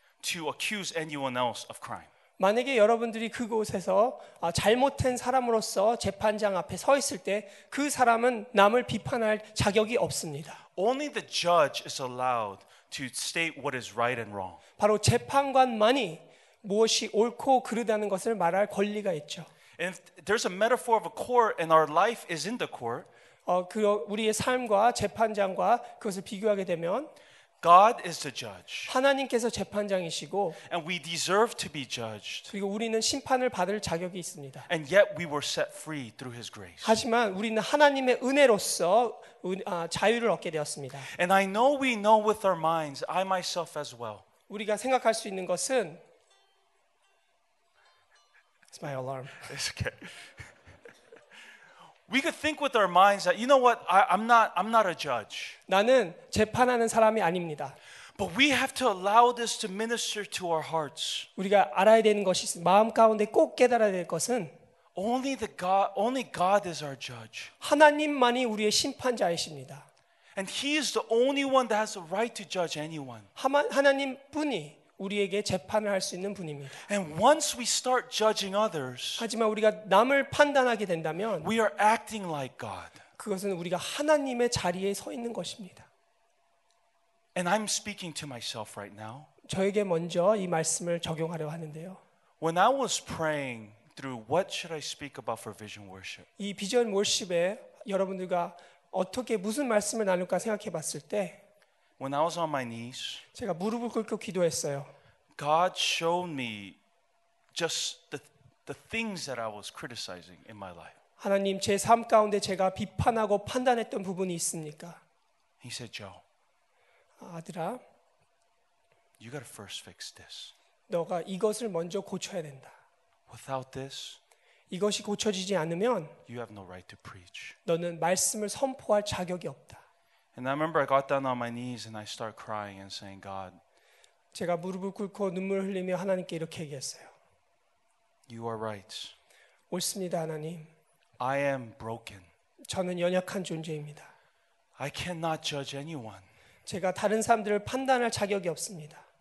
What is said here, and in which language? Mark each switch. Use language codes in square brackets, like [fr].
[en] To accuse anyone else of crime. [ko] 만약에 여러분들이 그곳에서 잘못된 사람으로서 재판장 앞에 서 있을 때 그 사람은 남을 비판할 자격이 없습니다. [en] Only the judge is allowed to state what is right and wrong. [ko] 바로 재판관만이 무엇이 옳고 그르다는 것을 말할 권리가 있죠. [en] And there's a metaphor of a court, and our life is in the court. [ko] 그 우리의 삶과 재판장과 그것을 비교하게 되면 [en] God is the judge. [ko] 하나님께서 재판장이시고 [en] And we deserve to be judged. [ko] 그리고 우리는 심판을 받을 자격이 있습니다. [en] And yet we were set free through his grace. [ko] 하지만 우리는 하나님의 은혜로서 자유를 얻게 되었습니다. [en] And I know we know with our minds, I myself as well. [ko] 우리가 생각할 수 있는 것은 [en] It's my alarm. It's okay. We could think with our minds that, you know what, I'm not a judge. [ko] 나는 재판하는 사람이 아닙니다. [en] But we have to allow this to minister to our hearts. [ko] 우리가 알아야 되는 것이 마음 가운데 꼭 깨달아야 될 것은 [en] only God is our judge. [ko] 하나님만이 우리의 심판자이십니다. [en] And he is the only one that has the right to judge anyone. [ko] 하나님뿐이 우리에게 재판을 할 수 있는 분입니다. [en] And once we start judging others, [ko] 하지만 우리가 남을 판단하게 된다면, [en] we are acting like God. [ko] 그것은 우리가 하나님의 자리에 서 있는 것입니다. [en] And I'm speaking to myself right now. [ko] 저에게 먼저 이 말씀을 적용하려 하는데요. [en] When I was praying through what should I speak about for vision worship, [ko] 이 비전 워십에 여러분들과 어떻게 무슨 말씀을 나눌까 생각해 봤을 때. [en] When I was on my knees, [ko] 제가 무릎을 꿇고 기도했어요. [en] God showed me just the things that I was criticizing in my life. [ko] 하나님, 제 삶 가운데 제가 비판하고 판단했던 부분이 있습니까? [en] He said, "Joe, [ko] 아들아, [en] you got to first fix this. [ko] 너가 이것을 먼저 고쳐야 된다. [en] Without this, [ko] 이것이 고쳐지지 않으면, [en] you have no right to preach. [ko] 너는 말씀을 선포할 자격이 없다." [en] And I remember I got down on my knees and I started crying and saying, God, [ko] 제가 무릎을 꿇고 눈물을 흘리며 하나님께 이렇게 얘기했어요. [en] You are right. [ko] 옳습니다, 하나님. [en] I am broken. [ko] 저는 연약한 존재입니다. [en] I cannot judge anyone. [ko] 제가 다른 사람들을 판단할 자격이 없습니다.